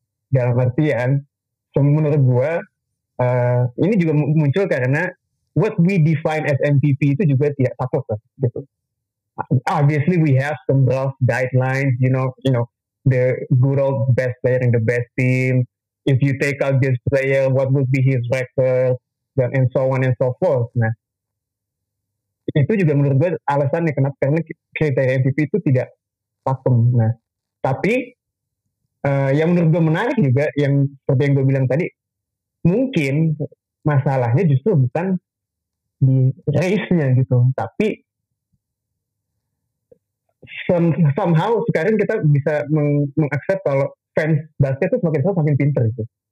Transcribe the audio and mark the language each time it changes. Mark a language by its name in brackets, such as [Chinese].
[Indonesian] Dalam artian, menurut gue, ini juga muncul karena [English] what we define as MVP [Indonesian] itu juga tidak takut lah, gitu. [English] Obviously we have some rough guidelines, you know, the good old best player in the best team. If you take out this player, what would be his record, and so on and so forth. [Indonesian] Nah, itu juga menurut gue alasannya kenapa, karena kriteria MVP itu tidak pakem. Nah, tapi yang menurut gue menarik juga, yang seperti yang gue bilang tadi, mungkin masalahnya justru bukan di race-nya gitu, tapi somehow sekarang kita bisa mengaccept kalau fans basket itu semakin besar semakin pinter gitu.